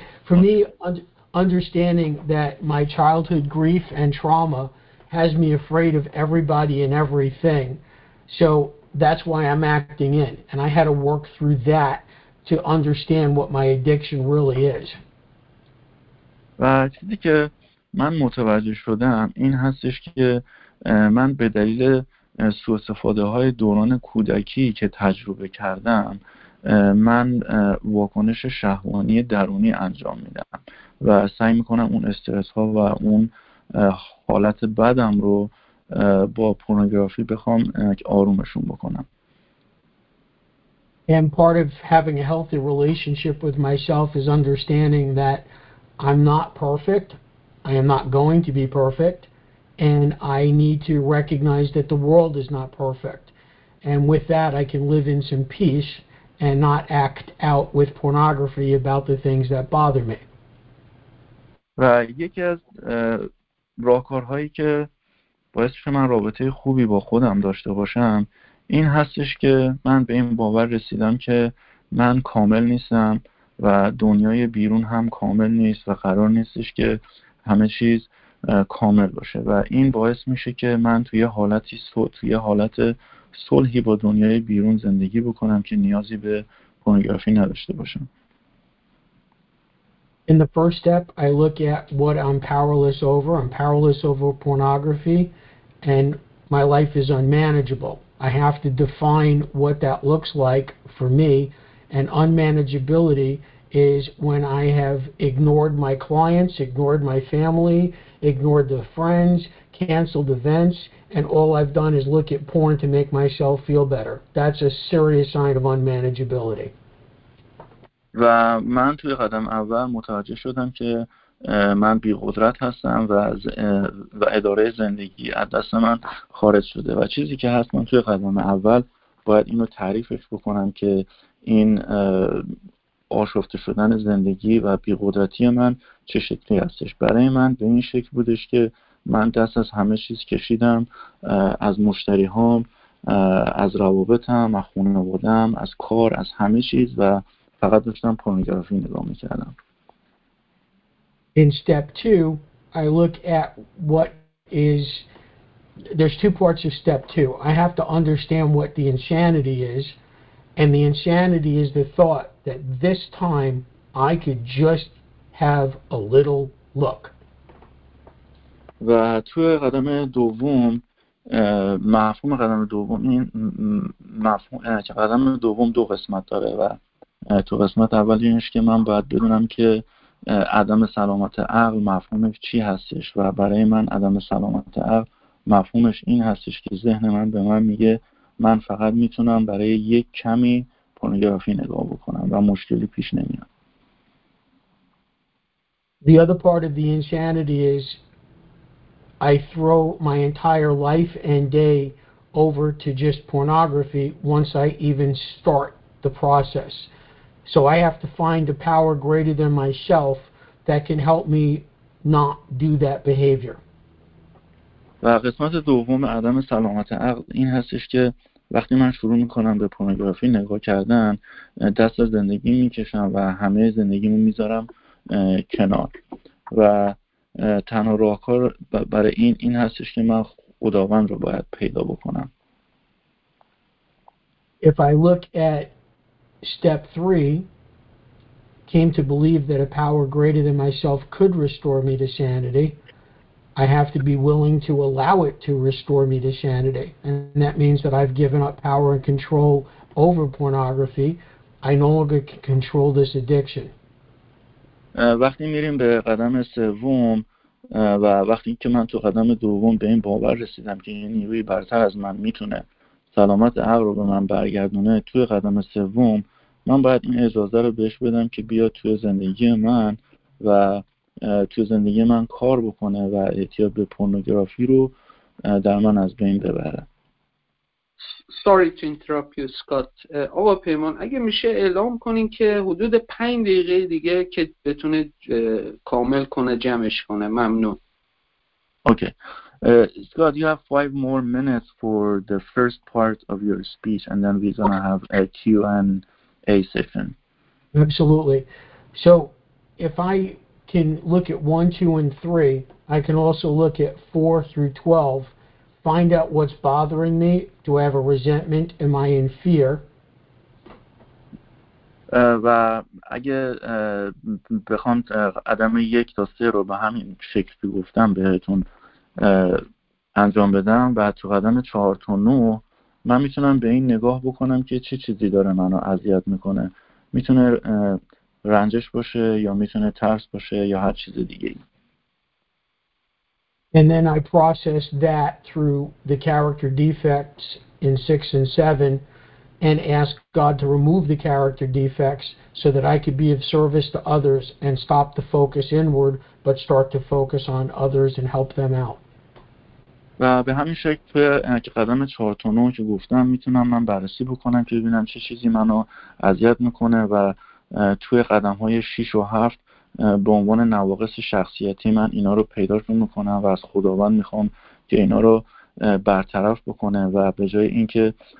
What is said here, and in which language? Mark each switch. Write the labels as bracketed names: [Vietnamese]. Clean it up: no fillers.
[English] For me, understanding that my childhood grief and trauma has me afraid of everybody and everything, so that's why I'm acting in, and I had to work through that to understand what my addiction really is. [Persian] و چیزی که من متوجه شدم این هستش که من به دلیل سوء استفاده های دوران کودکی که تجربه کردم، من واکنش شهوانی درونی انجام میدم و سعی میکنم اون استرس ها و اون حالت بدم رو با پورنوگرافی بخوام آرومشون بکنم. [English] And part of having a healthy relationship with myself is understanding that I'm not perfect, I am not going to be perfect, and I need to recognize that the world is not perfect. And with that, I can live in some peace and not act out with pornography about the things that bother me. [Persian] و یکی از راهکارهایی که باعث میشه من رابطه خوبی با خودم داشته باشم این هستش که من به این باور رسیدم که من کامل نیستم و دنیای بیرون هم کامل نیست و قرار نیستش که همه چیز کامل باشه و این باعث میشه که من توی حالت صلحی با دنیای بیرون زندگی بکنم که نیازی به پورنوگرافی نداشته باشم. [English] In the first step, I look at what I'm powerless over. I'm powerless over pornography, and my life is unmanageable. I have to define what that looks like for me, and unmanageability is when I have ignored my clients, ignored my family, ignored the friends, canceled events, and all I've done is look at porn to make myself feel better. That's a serious sign of unmanageability. [Persian] و من توی قدم اول متوجه شدم که من بی قدرت هستم و اداره زندگی از دست من خارج شده. و چیزی که هست من توی قدم اول باید اینو تعریفش بکنم که این آشفته شدن زندگی و بی قدرتی من چه شکلی هستش. برای من به این شکل بودش که من دست از همه چیز کشیدم، از مشتری هام، از روابطم، از خانوادم، از کار، از همه چیز، و فقط داشتم پورنوگرافی نگاه میکردم. [English] In step two, I look at what is, there's two parts of step two. I have to understand what the insanity is, and the insanity is the thought that this time I could just have a little look. [Persian] و تو قدم دوم، مفهوم قدم دوم این مفهوم، قدم دوم دو قسمت داره، و تو قسمت اولیش که من باید بدونم که عدم سلامت عقل مفهومش چی هستش، و برای من عدم سلامت عقل مفهومش این هستش که ذهن من به من میگه من فقط میتونم برای یک کمی پورنوگرافی نگاه بکنم و مشکلی پیش نمیاد. [English] The other part of the insanity is I throw my entire life and day over to just pornography once I even start the process. So I have to find a power greater than myself that can help me not do that behavior. [Persian] و قسمت دوم عدم سلامت عقل این هستش که وقتی من شروع میکنم به پورنوگرافی نگاه کردن، دست از زندگی میکشم و همه زندگیمو میذارم کنار. و تنها راهکار برای این هستش که من خداوند رو باید پیدا بکنم. [English] If I look at step three, came to believe that a power greater than myself could restore me to sanity, I have to be willing to allow it to restore me to sanity. And that means that I've given up power and control over pornography. I no longer can control this addiction. [Persian] وقتی میریم به قدم سوم و وقتی که من تو قدم دوم به این باور رسیدم که یه نیروی برتر از من میتونه سلامت عقل رو به من برگردونه، توی قدم سوم من باید این اجازه رو بهش بدم که بیا توی زندگی من و توی زندگی من کار بکنه و اعتیاد به پورنوگرافی رو در من از بین ببره. [English] Sorry to interrupt you, Scott. [Persian] آقا پیمان، اگه میشه اعلام کنین که حدود 5 دقیقه دیگه که بتونه کامل کنه، جمعش کنه. ممنون. [English] Okay. Scott, you have 5 more minutes for the first part of your speech, and then we're going to have a Q&A session. Absolutely. So if I can look at 1, 2, and 3, I can also look at 4 through 12, find out what's bothering me. Do I have a resentment? Am I in fear? [Persian] و اگه بخوام قدم 1 تا 3 رو به همین شکل گفتم بهتون انجام بدم، و تو قدم 4 تا 9 من میتونم به این نگاه بکنم که چه چیزی داره منو اذیت میکنه. میتونه رنجش باشه، یا میتونه ترس باشه، یا هر چیز دیگه ای. [English] And then I process that through the character defects in 6 and 7 and ask God to remove the character defects so that I could be of service to others and stop the focus inward but start to focus on others and help them out. [Persian] و به همین شکل توی قدم 4 تا 9 که گفتم میتونم من بررسی بکنم که ببینم چه چیزی منو اذیت میکنه، و توی قدم های 6 و 7 به عنوان نواقص شخصیتی من اینا رو پیدا میکنم و از خداوند میخوام که اینا رو برطرف بکنه، و به جای اینکه